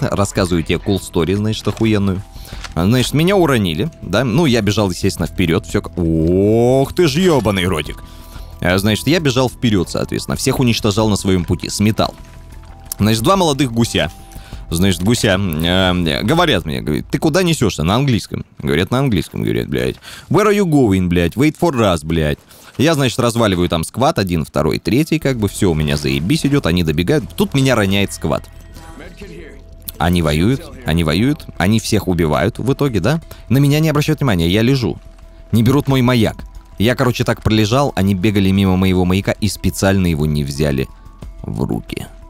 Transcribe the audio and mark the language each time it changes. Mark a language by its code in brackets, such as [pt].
[ru] Рассказываю тебе [en] cool story, [ru] значит, охуенную. Значит, меня уронили, да, ну, я бежал, естественно, вперед, все. Ох ты ж ебаный ротик. Значит, я бежал вперед, соответственно, всех уничтожал на своем пути, сметал. Значит, два молодых гуся. Значит, гуся, говорят мне, говорит, ты куда несешься? На английском. Говорят, на английском, говорят, блядь. [en] Where are you going, блядь? Wait for us, блядь. [ru] Я, значит, разваливаю там сквад, один, второй, третий, как бы, все, у меня заебись идет, они добегают. Тут меня роняет сквад. Они воюют, они воюют, они всех убивают в итоге, да? На меня не обращают внимания, я лежу. Не берут мой маяк. Я, короче, так пролежал, они бегали мимо моего маяка и специально его не взяли в руки.